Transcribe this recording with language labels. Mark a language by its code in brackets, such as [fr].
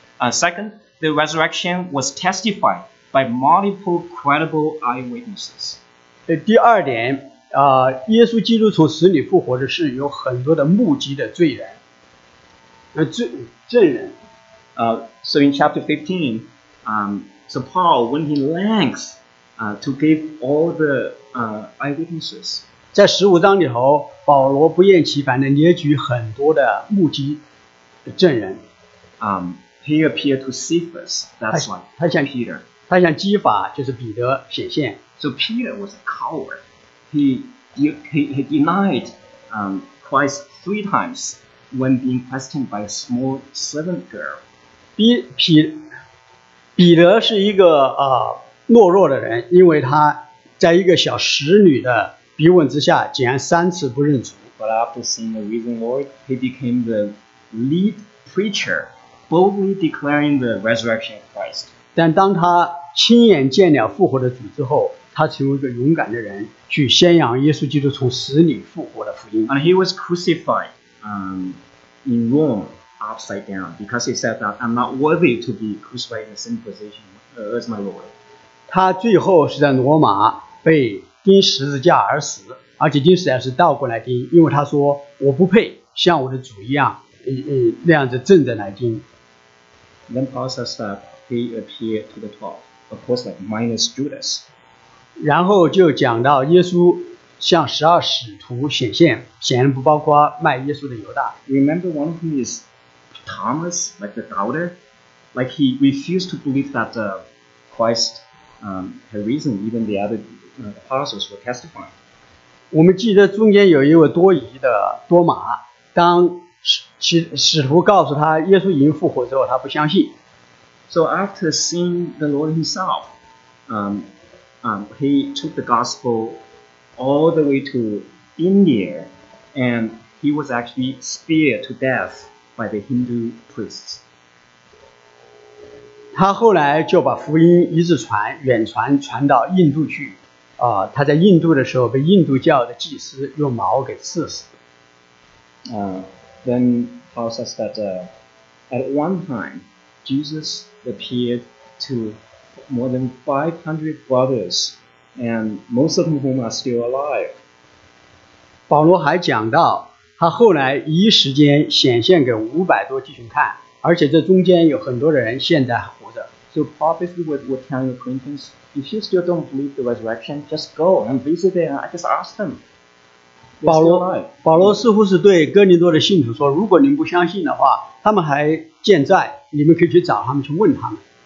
[en] Second, the resurrection was testified by multiple credible eyewitnesses. [zh] 第二点。耶稣基督从死里复活的是有很多的目击的罪人，证人。 [en] So in chapter 15, so Paul went in length to give all the eyewitnesses. [zh] 在十五章里头，保罗不厌其烦的列举很多的目击的证人。 [en] He appeared to Cephas, that's one. [zh] 他向彼得，他向基法就是彼得显现。 [en] So Peter was a coward. He denied Christ 3 times when being questioned by a small servant girl. [zh] 彼得是一个懦弱的人，因为他在一个小使女的逼问之下，竟然三次不认主。 [en] But after seeing the risen Lord, he became the lead preacher, boldly declaring the resurrection of Christ. [zh] 但当他亲眼见了复活的主之后，他成为一个勇敢的人，去宣扬耶稣基督从死里复活的福音。 [en] And he was crucified, in Rome upside down because he said that I'm not worthy to be crucified in the same position as my Lord. [zh] 他最后是在罗马被钉十字架而死，而且钉十字架是倒过来钉，因为他说我不配像我的主一样，那样子正着来钉。 [en] Then Paul says that he appeared to the 12, of course, like minus Judas. [zh] 然后就讲到耶稣向十二使徒显现，显然不包括卖耶稣的犹大。 [en] Remember one of them is Thomas, like the doubter, like he refused to believe that Christ had risen. Even the other apostles were testifying. [zh] 我们记得中间有一位多疑的多马，当使徒告诉他耶稣已经复活之后，他不相信。 [en] So after seeing the Lord Himself, he took the gospel all the way to India, and he was actually speared to death by the Hindu priests. [zh] 他后来就把福音一直传，远传，传到印度去。他在印度的时候被印度教的祭司用矛给刺死。 [en] Then Paul says that at one time, Jesus appeared to more than 500 brothers, and most of whom are still alive. [zh] 保罗还讲到，他后来一时间显现给五百多弟兄看，而且这中间有很多的人现在还活着。 [en] So obviously with ten acquaintance, if you still don't believe the resurrection, just go and visit them. I just ask them. [zh] 保罗似乎是对哥林多的信徒说，如果您不相信的话，他们还健在，你们可以去找他们去问他们。